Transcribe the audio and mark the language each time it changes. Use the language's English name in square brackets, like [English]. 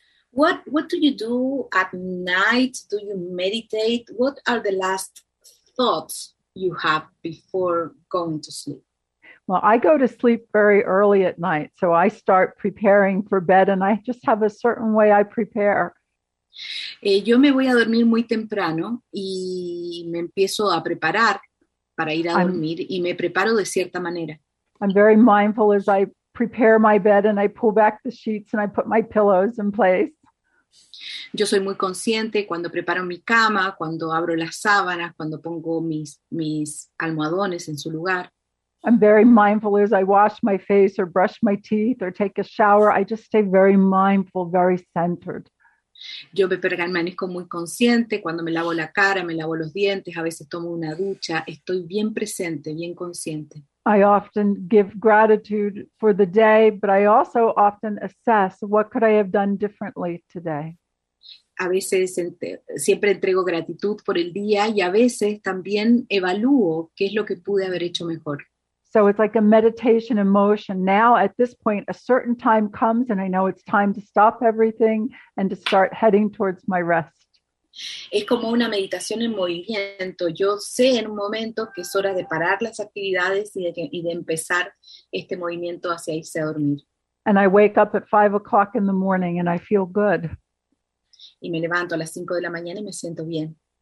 [English] What do you do at night? Do you meditate? What are the last thoughts you have before going to sleep? Well, I go to sleep very early at night, so I start preparing for bed, and I just have a certain way I prepare. [Spanish] Yo me voy a dormir muy temprano y me empiezo a preparar para ir a dormir y me preparo de cierta manera. [English] I'm very mindful as I prepare my bed and I pull back the sheets and I put my pillows in place. [Spanish] Yo soy muy consciente cuando preparo mi cama, cuando abro las sábanas, cuando pongo mis almohadones en su lugar. [English] I'm very mindful as I wash my face or brush my teeth or take a shower. I just stay very mindful, very centered. [Spanish] Yo me permanezco muy consciente cuando me lavo la cara, me lavo los dientes, a veces tomo una ducha, estoy bien presente, bien consciente. [English] I often give gratitude for the day, but I also often assess what could I have done differently today. [Spanish] A veces siempre entrego gratitud por el día y a veces también evalúo qué es lo que pude haber hecho mejor. [English] So it's like a meditation in motion. Now, at this point, a certain time comes, and I know it's time to stop everything and to start heading towards my rest. [Spanish] Es como una meditación en movimiento. Yo sé en un momento que es hora de parar las actividades y de empezar este movimiento hacia irse a dormir. [English] And I wake up at 5 o'clock in the morning and I feel good. [Spanish] Y me levanto a las 5 de la mañana y me siento bien.